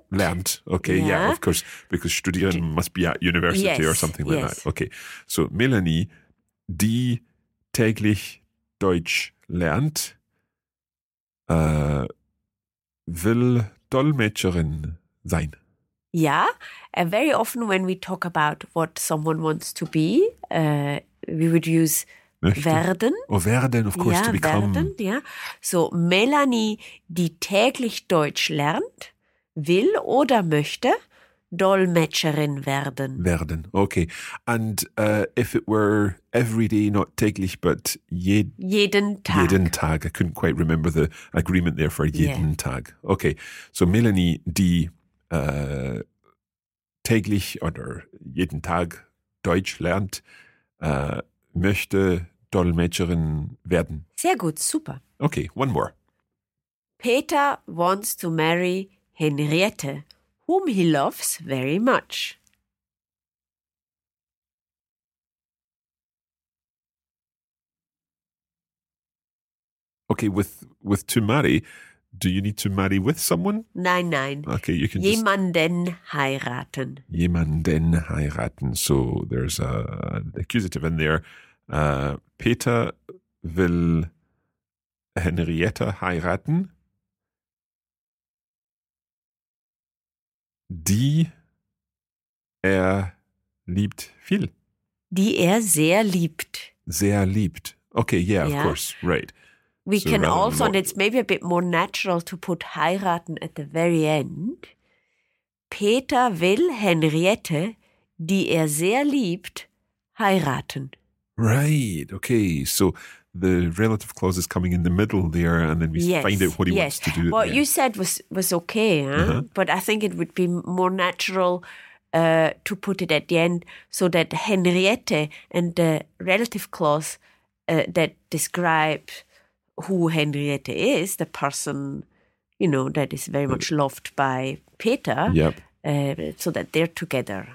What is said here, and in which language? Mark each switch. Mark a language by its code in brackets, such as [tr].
[en] Lernt, okay, yeah, of course, because studieren must be at university yes. or something like yes. that. [de] Okay, so Melanie, die täglich Deutsch lernt, will Dolmetscherin sein. [en] Yeah, and very often when we talk about what someone wants to be, we would use [de] möchte. Werden. [en] Oh, werden, of course, yeah, to become. [de] Werden, yeah. So Melanie, die täglich Deutsch lernt, will oder möchte Dolmetscherin werden. Werden, okay. [en] And if it were every day, not täglich, but [de] jeden Tag. Jeden Tag. [en] I couldn't quite remember the agreement there for jeden yeah. [de] Tag. Okay, so Melanie, die täglich oder jeden Tag Deutsch lernt, möchte Dolmetscherin werden. Sehr gut, super. [en] Okay, one more. Peter wants to marry Henriette, whom he loves very much. Okay, with to marry, do you need to marry with someone? [de] Nein, nein. [en] Okay, you can [de] jemanden heiraten. Jemanden heiraten. [en] So there's an accusative in there. [de] Peter will Henriette heiraten, die er liebt viel. Die er sehr liebt. Sehr liebt. [en] Okay, yeah, of course, right. We can also, and it's maybe a bit more natural to put heiraten at the very end. [de] Peter will Henriette, die er sehr liebt, heiraten. [en] Right, okay. So the relative clause is coming in the middle there, and then we find out what he wants to do. What you said was okay, huh? Uh-huh. But I think it would be more natural to put it at the end so that Henriette and the relative clause that describe who Henriette is, the person, you know, that is very much loved by Peter, so that they're together.